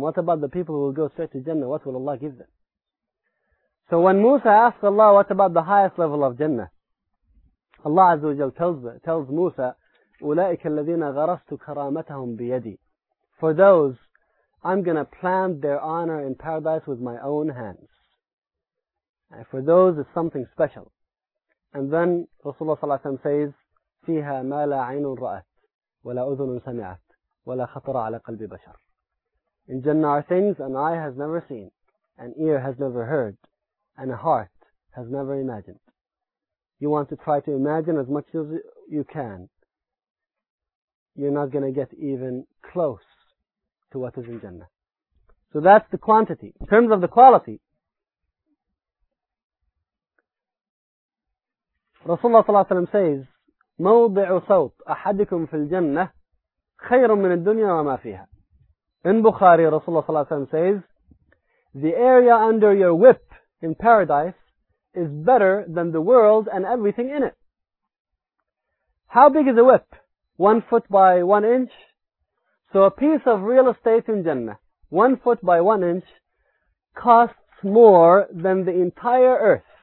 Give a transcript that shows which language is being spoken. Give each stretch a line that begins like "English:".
English: What about the people who will go straight to Jannah? What will Allah give them? So when Musa asked Allah, "What about the highest level of Jannah?" Allah Azza wa Jalla tells Musa,
Arabic: "أُولَٰئِكَ الَّذِينَ غَرَسْتُ كَرَامَتَهُمْ بِيَدِي."
English: For those, I'm going to plant their honor in paradise with my own hands. And for those, it's something special. And then Rasulullah ﷺ says,
Arabic: فِيهَا مَا لَا عَيْنٌ رَأَتْ وَلَا أُذُنٌ سَمِعَتْ وَلَا خَطَرَ عَلَى قَلْبِ بَشَرٍ.
English: In Jannah are things an eye has never seen, an ear has never heard, and a heart has never imagined. You want to try to imagine as much as you can, you're not going to get even close to what is in Jannah. So that's the quantity. In terms of the quality, Rasulullah
Arabic: صلى الله عليه وسلم
English: says,
Arabic: موضع صوت أحدكم في الجنة خير من الدنيا وما فيها.
English: In Bukhari, Rasulullah صلى الله عليه وسلم says, the area under your whip in paradise is better than the world and everything in it. How big is a whip? 1 foot by 1 inch? So a piece of real estate in Jannah, 1 foot by 1 inch, costs more than the entire earth.